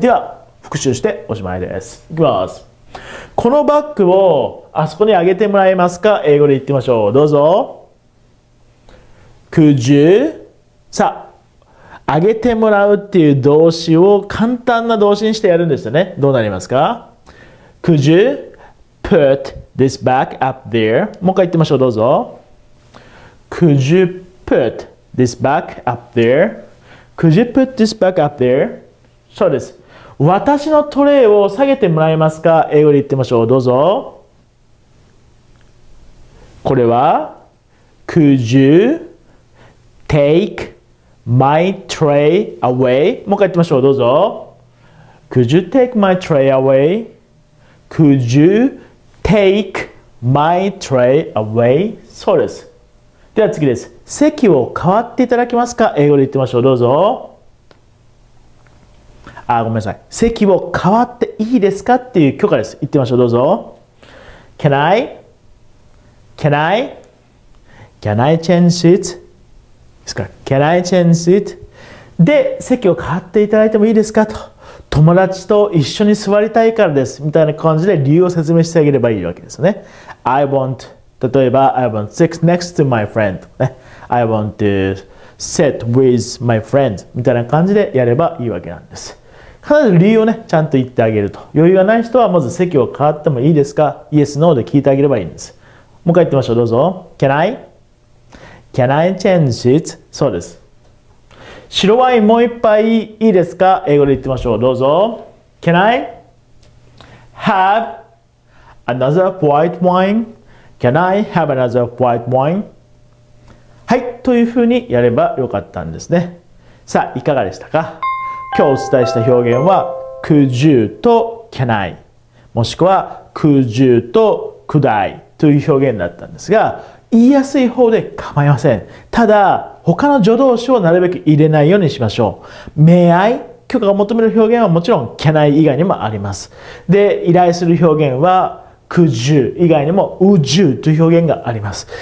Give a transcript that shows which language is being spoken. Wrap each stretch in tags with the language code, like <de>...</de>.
<ja>では復習しておしまいです。いきます。このバッグをあそこにあげてもらえますか？英語で言ってみましょう。どうぞ。</ja> <en>could you、</en> <ja>さあ、あげてもらうっていう動詞を簡単な動詞にしてやるんですよね。どうなりますか？</ja> <en>Could you put this back up there?</en> <ja>もう一回言ってみましょう。どうぞ。</ja> <en>Could you put this back up there? Could you put this back up there?</en> <ja>そうです。私のトレイを下げてもらえますか？英語で言ってみましょう。どうぞ。これは、</ja> <en>Could you takeMy tray away?</en> <ja>もう一回言ってみましょう。どうぞ。</ja> <en>Could you take my tray away? Could you take my tray away?</en> <ja>そうです。では次です。席を変わっていただけますか？英語で言ってみましょう。どうぞ。あ、ごめんなさい。席を変わっていいですかっていう許可です。言ってみましょう。どうぞ。</ja> <en>Can I? Can I? Can I change seats?</en> <ja>ですか。</ja> <en>Can I change seat?</en> <ja>で、席を変わっていただいてもいいですかと。友達と一緒に座りたいからです。みたいな感じで理由を説明してあげればいいわけですよね。</ja> <en>I want, 例えば、I want to sit next to my friend. I want to sit with my friend.</en> <ja>みたいな感じでやればいいわけなんです。必ず理由をね、ちゃんと言ってあげると。余裕がない人はまず席を変わってもいいですか ?</ja> <en>Yes, No</en> <ja>で聞いてあげればいいんです。もう一回言ってみましょう。どうぞ。</ja> <en>Can I? Can I change seats?</en> <ja>そうです。白ワインもう一杯いいですか？英語で言ってみましょう。どうぞ。</ja> <en>Can I have another white wine? Can I have another white wine?</en> <ja>はい。というふうにやればよかったんですね。さあ、いかがでしたか？今日お伝えした表現は</ja> <en>Could you</en> <ja>と</ja> <en>Can I? もしくは Could you と Could I?</en> <ja>という表現だったんですが、言いやすい方で構いません。ただ、他の助動詞をなるべく入れないようにしましょう。</ja> <en>May I</en> <ja>許可が求める表現はもちろん</ja> <en>can I</en> <ja>以外にもあります。で、依頼する表現は</ja> <en>could you</en> <ja>以外にも</ja> <en>would you</en> <ja>という表現があります。</ja>